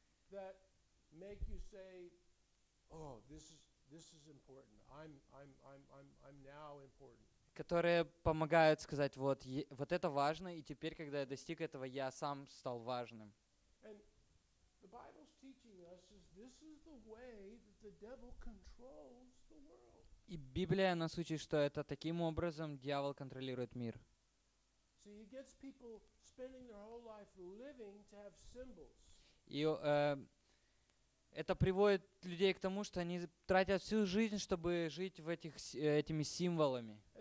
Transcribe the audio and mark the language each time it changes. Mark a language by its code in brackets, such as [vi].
[en] That make you say, oh, this is important. I'm now important. [ru] Которые помогают сказать, вот это важно, и теперь, когда я достиг этого, я сам стал важным. [en] And the Bible's teaching us is this is the way that the devil controls the world. [ru] И Библия нас учит, что это таким образом дьявол контролирует мир. [en] So he gets people spending their whole life living to have symbols. [ru] Это приводит людей к тому, что они тратят всю жизнь, чтобы жить в этими символами.